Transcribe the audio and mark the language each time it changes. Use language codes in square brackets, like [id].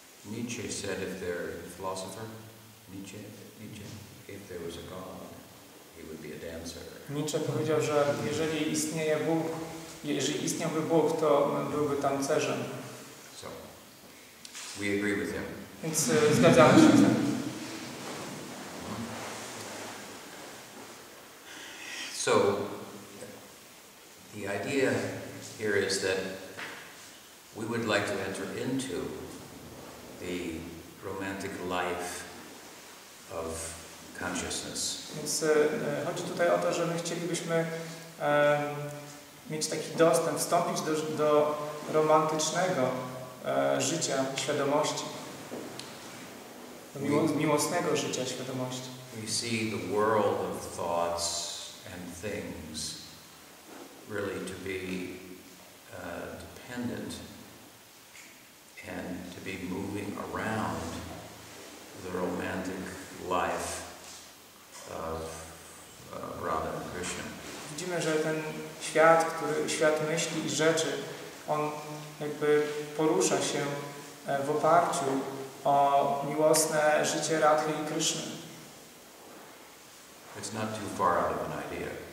[en] Nietzsche said if there was a philosopher, Nietzsche, if there was a god, he would be a dancer. [pl] Nietzsche powiedział, że jeżeli istnieje Bóg, jeżeli istniałby Bóg, to byłby tancerzem. [en] So, we agree with him. [pl] Więc zgadzamy się z tym. [en] So, the idea here is that we would like to enter into the romantic life of consciousness. [pl] Więc chodzi tutaj o to, że my chcielibyśmy mieć taki dostęp, wstąpić do romantycznego życia świadomości. Do miłosnego życia świadomości. [en] We see the world of thoughts and things really to be dependent and to be moving around the romantic life of Radha and Krishna. [pl] Widzimy, że ten świat, który świat myśli i rzeczy, on jakby porusza się w oparciu o miłosne życie Radhy i Krishna. [en] It's not too far out of an idea.